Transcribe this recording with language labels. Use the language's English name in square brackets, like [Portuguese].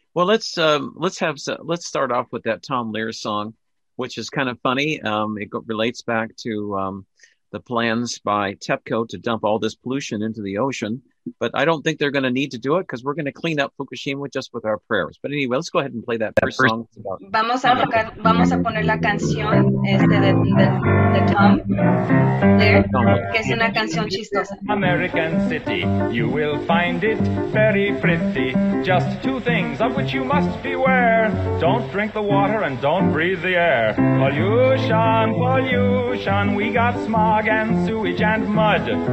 [English] Well, let's start off with that Tom Lehrer song, which is kind of funny. It relates back to the plans by TEPCO to dump all this pollution into the ocean, but I don't think they're going to need to do it because we're going to clean up Fukushima just with our prayers. But anyway, let's go ahead and play that first song. [Spanish] Vamos a poner la canción de Tom Lehrer, que es una canción chistosa. [English] American City, you will find it very pretty. Just two things of which you must beware. Don't drink the water and don't breathe the air. Pollution, pollution, we got smog and sewage and mud.